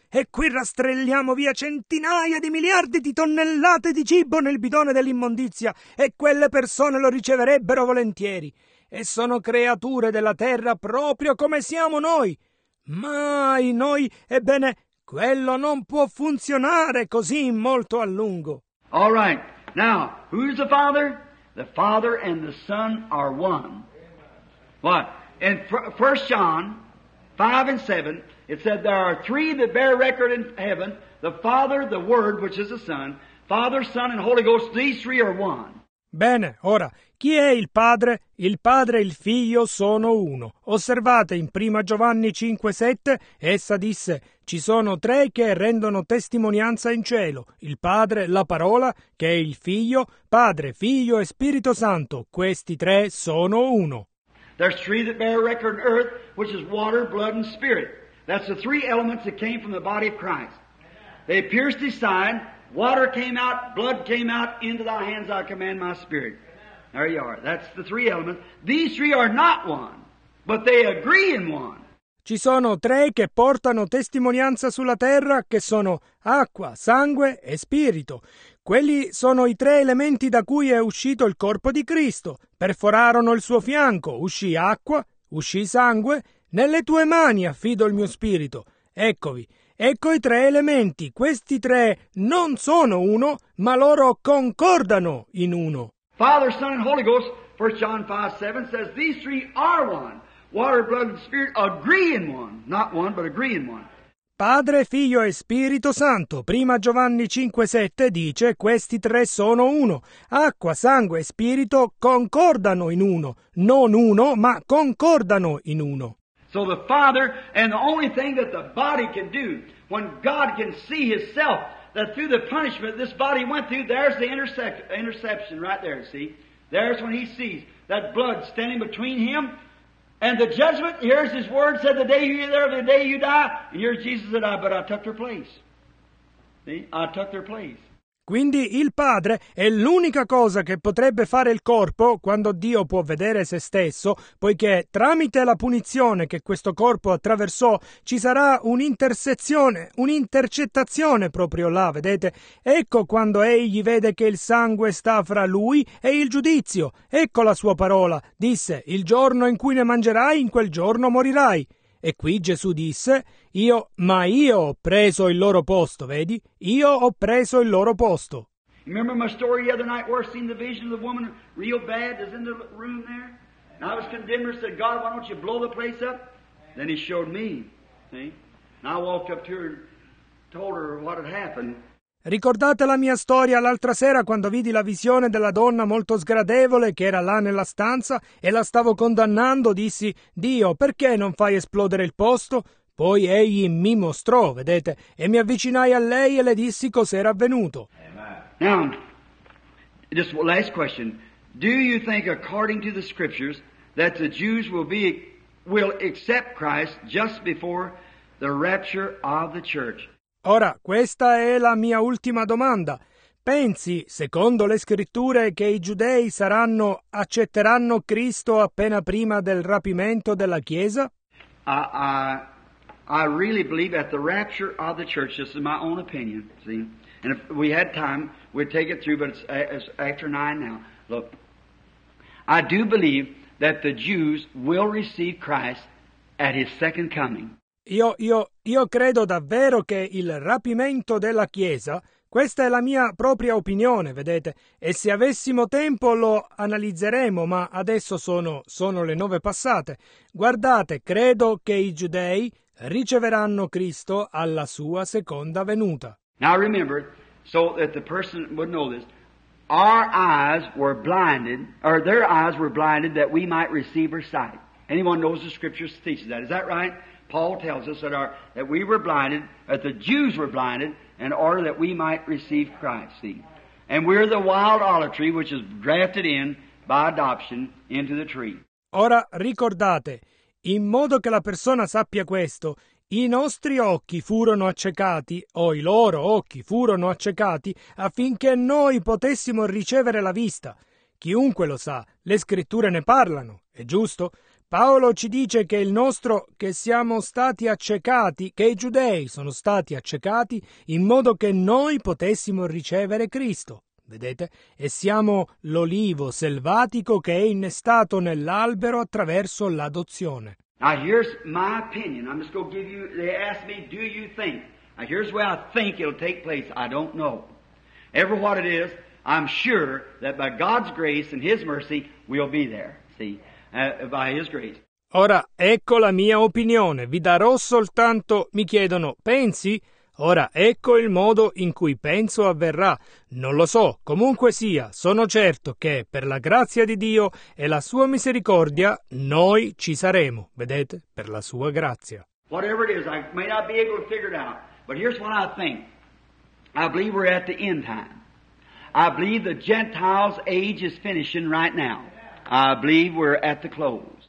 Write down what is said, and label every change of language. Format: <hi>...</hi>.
<it>E qui rastrelliamo via centinaia di miliardi di tonnellate di cibo nel bidone dell'immondizia e quelle persone lo riceverebbero volentieri. E sono creature della terra proprio come siamo noi. Mai noi, ebbene, quello non può funzionare così molto a lungo.</it> <en>All right, now, who's the Father? The Father and the Son are one. What? In 1 John 5 and 7, it said there are three that bear record in heaven, the Father, the Word, which is the Son, Father, Son, and Holy Ghost, these three are one.</en> <it>Bene, ora, chi è il Padre? Il Padre e il Figlio sono uno. Osservate in 1 Giovanni 5, 7, essa disse, ci sono tre che rendono testimonianza in cielo, il Padre, la Parola, che è il Figlio, Padre, Figlio e Spirito Santo, questi tre sono uno.</it> <en>There's three that bear record on earth, which is water, blood, and spirit. That's the three elements that came from the body of Christ. They pierced his side, water came out, blood came out, into thy hands I command my spirit. There you are. That's the three elements. These three are not one, but they agree in one.</en> <it>Ci sono tre che portano testimonianza sulla terra, che sono acqua, sangue e spirito. Quelli sono i tre elementi da cui è uscito il corpo di Cristo. Perforarono il suo fianco, uscì acqua, uscì sangue. Nelle tue mani affido il mio spirito. Eccovi, ecco i tre elementi. Questi tre non sono uno, ma loro concordano in uno.</it> <en>Father, Son, and Holy Ghost, 1 John 5, 7, says these three are one. Water, blood, and spirit agree in one. Not one, but agree in one.</en> <it>Padre, Figlio e Spirito Santo, 1 Giovanni 5, 7 dice questi tre sono uno. Acqua, sangue e spirito concordano in uno. Non uno, ma concordano in uno.</it> <en>So the Father, and the only thing that the body can do, when God can see himself, that through the punishment this body went through, there's the interception right there, see? There's when he sees that blood standing between him and the judgment, here's his word, said, the day you live, the day you die, and here's Jesus that I, but I took their place. See? I took their place.</en> <it>Quindi il Padre è l'unica cosa che potrebbe fare il corpo quando Dio può vedere se stesso, poiché tramite la punizione che questo corpo attraversò ci sarà un'intersezione, un'intercettazione proprio là, vedete? Ecco quando egli vede che il sangue sta fra lui e il giudizio. Ecco la sua parola. Disse, il giorno in cui ne mangerai, in quel giorno morirai. E qui Gesù disse, io ho preso il loro posto, vedi? Io ho preso il loro posto.</it> <en>Remember my story the other night where I seen the vision of the woman real bad that's in the room there? And I was condemned and said, God, why don't you blow the place up? Then he showed me, see? And I walked up to her and told her what had happened.</en> <it>Ricordate la mia storia l'altra sera quando vidi la visione della donna molto sgradevole che era là nella stanza e la stavo condannando, dissi, Dio, perché non fai esplodere il posto? Poi egli mi mostrò, vedete, e mi avvicinai a lei e le dissi cos'era avvenuto.</it> <en>Now, just one last question. Do you think, according to the scriptures, that the Jews will accept Christ just before the rapture of the church?</en> <it>Ora, questa è la mia ultima domanda. Pensi, secondo le scritture, che i giudei accetteranno Cristo appena prima del rapimento della Chiesa?</it> <en>I I really believe at the rapture of the church, this is my own opinion, see, and if we had time, we'd take it through, but it's after 9 now. Look, I do believe that the Jews will receive Christ at his second coming.</en> <it>Io credo davvero che il rapimento della Chiesa, questa è la mia propria opinione, vedete, e se avessimo tempo lo analizzeremo, ma adesso sono le 9 passate. Guardate, credo che i giudei riceveranno Cristo alla sua seconda venuta.</it> <en>Now remember, so that the person would know this, our eyes were blinded, or their eyes were blinded that we might receive our sight. Anyone knows the scriptures teaches that, is that right? Paul tells us that we were blinded, that the Jews were blinded, in order that we might receive Christ. See? And we're the wild olive tree which is grafted in by adoption into the tree.</en> <it>Ora ricordate, in modo che la persona sappia questo, i nostri occhi furono accecati, o i loro occhi furono accecati, affinché noi potessimo ricevere la vista. Chiunque lo sa, le scritture ne parlano, è giusto? Paolo ci dice che il nostro, che siamo stati accecati, che i giudei sono stati accecati in modo che noi potessimo ricevere Cristo, vedete? E siamo l'olivo selvatico che è innestato nell'albero attraverso l'adozione.</it> <en>Now here's my opinion. I'm just going to give you, they ask me, do you think? Now here's where I think it'll take place. I don't know. Ever what it is, I'm sure that by God's grace and His mercy, we'll be there, see? By His grace.</en> <it>Ora, ecco la mia opinione. Vi darò soltanto, mi chiedono, pensi? Ora, ecco il modo in cui penso avverrà. Non lo so, comunque sia, sono certo che, per la grazia di Dio e la sua misericordia, noi ci saremo, vedete, per la sua grazia.</it> <en>Whatever it is, I may not be able to figure it out, but here's what I think. I believe we're at the end time. I believe the Gentiles' age is finishing right now. I believe we're at the close.</en>